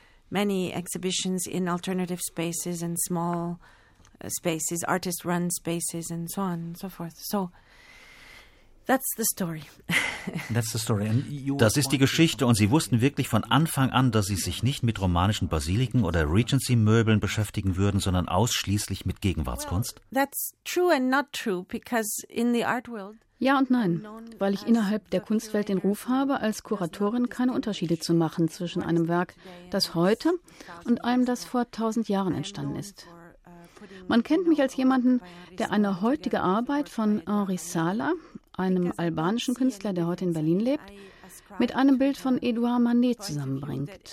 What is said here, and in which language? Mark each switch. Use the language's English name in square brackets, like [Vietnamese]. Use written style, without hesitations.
[English] Many exhibitions in alternative spaces and small spaces, artist-run spaces and so on and so forth. So, that's the story. That's the story. And you [German] das ist die Geschichte und Sie wussten wirklich von Anfang an, dass Sie sich nicht mit romanischen Basiliken oder Regency-Möbeln beschäftigen würden, sondern ausschließlich mit Gegenwartskunst? [English] Well, that's true and not true, because in the art world, [German] ja und nein, weil ich innerhalb der Kunstwelt den Ruf habe, als Kuratorin keine Unterschiede zu machen zwischen einem Werk, das heute und einem, das vor 1000 Jahren entstanden ist. Man kennt mich als jemanden, der eine heutige Arbeit von Henri Sala, einem albanischen Künstler, der heute in Berlin lebt, mit einem Bild von Edouard Manet zusammenbringt.